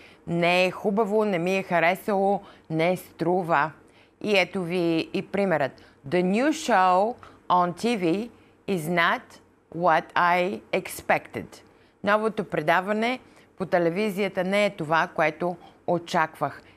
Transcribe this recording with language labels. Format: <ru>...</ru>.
<bg>не е хубаво, не ми е харесало, не струва. И ето ви и примерът.</bg> <en>The new show on TV is not what I expected.</en> <bg>Новото предаване по телевизията не е това, което очаквах.</bg>